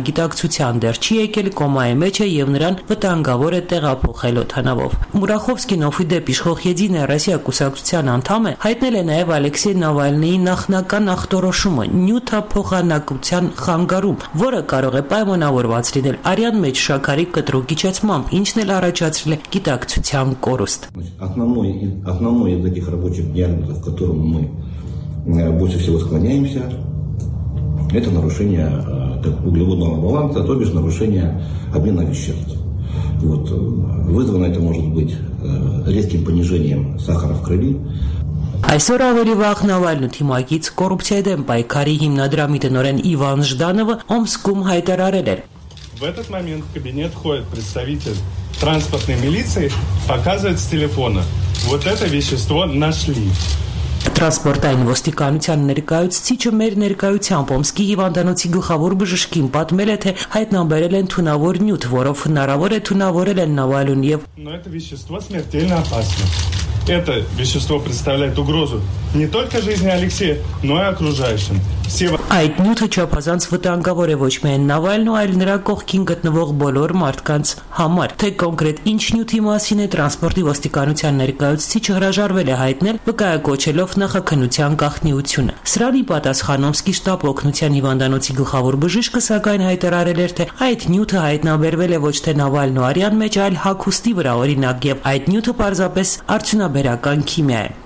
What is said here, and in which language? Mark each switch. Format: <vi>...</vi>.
<hy>գիտակցության դեռ չի եկել, կոմայի մեջ է և նրան վտանգավոր է տեղափոխել օթանավով։ Մուրախովսկին, ով իդեպ իշխող Եդինե Ռասիա կուսակցության անդամ է, հայտնել է նաև Ալեքսեյ Նավալնիի նախնական ախտորոշումը՝ նյութափոխանակության խանգարում, որը կարող է պայմանավորված լինել արյան մեջ շաքարի կտրուկիչացմամբ, ինչն էլ առաջացրել է գիտակցության կորուստ։</hy> <ru>Основной из таких рабочих диагнозов, к которым мы больше всего склоняемся, это нарушение углеводного баланса, то бишь нарушение обмена веществ. Вот. Вызвано это может быть резким понижением сахара в крови.</ru> <hy>Այսօր ավելի վաղ Նավալնու թիմակից կոռուպցիա դեմ պայքարի հիմնադրամի տնօրեն Իվան Ժդանովը Օմսկում հայտարարել էր.</hy> <ru>В этот момент в кабинет входит представитель транспортной милиции, показывает с телефона. Вот это вещество нашли.</ru> <hy>Տրանսպորտային ոստիկանության ներկայացուցիչը մեր ներկայությամբ Օմսկի հիվանդանոցի գլխավոր բժշկին պատմել է, թե հայտնաբերել են թունավոր նյութ, որով հնարավոր է թունավորել են Նավալուն և</hy> <ru>Это вещество смертельно опасно. Это вещество представляет угрозу не только жизни Алексея, но и окружающим.</ru> <hy>Այդ նյութը չափազանց վտանգավոր է ոչ միայն Նավալնու, այլ նրա կողքին գտնվող բոլոր մարդկանց համար։ Թե կոնկրետ ինչ նյութի մասին է տրանսպորտի ոստիկանության ներկայացուցիչը հրաժարվել է հայտնել, վկայակոչելով նախաքնության գաղտնիությունը։ Սրանի պատասխան Օմսկի շտապօգնության հիվանդանոցի գլխավոր բժիշկը, սակայն, հայտարարել էր, թե այդ նյութը հայտնաբերվել է ոչ թե Նավալնու արյան մեջ, այլ հագուստի վրա, օրինակ, և այդ նյութը պարզապես արդյունաբերական քիմիա է։</hy>